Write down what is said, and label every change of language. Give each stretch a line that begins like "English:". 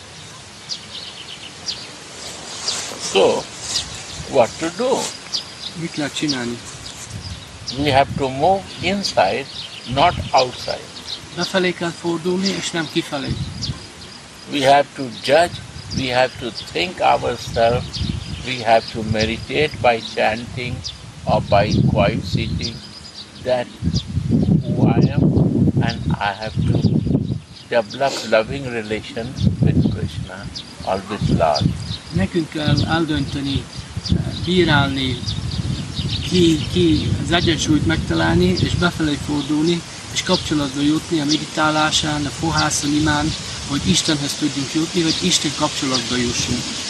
English: So, what to do?
Hungarian: Mit lehet csinálni?
English: We have to move inside, not outside.
Hungarian: Befelé kell fordulni, és nem kifelé.
English: We have to judge, we have to think ourselves, we have to meditate by chanting or by quiet sitting, that who I am, and I have to develop loving relations with Krishna or with Lord.
Hungarian: Nekünk kell eldönteni, bírálni, ki az egyensúlyt megtalálni, és befelé fordulni, és kapcsolatba jutni a meditálásán, a fohászon, imán, hogy Istenhez tudjunk jutni, hogy Isten kapcsolatba jussunk.